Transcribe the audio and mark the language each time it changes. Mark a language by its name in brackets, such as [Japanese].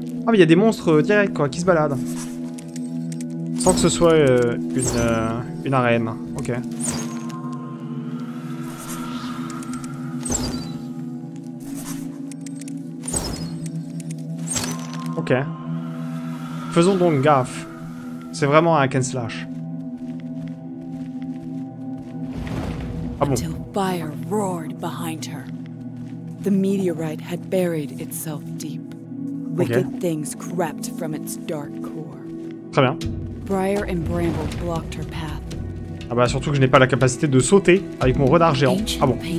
[French] Ah, mais il y a des monstres directs, quoi, qui se baladent. Sans que ce soit une arène. Ok. Ok. Faisons donc gaffe. C'est vraiment un hack and slash. Ah bon. [English] Until fire roared behind her. The meteorite had buried itself deep. Wicked things crept from its dark core. [French] Très bien. [English] Briar and Bramble blocked her path. [French] Ah bah surtout que je n'ai pas la capacité de sauter avec mon renard géant. Ah bon.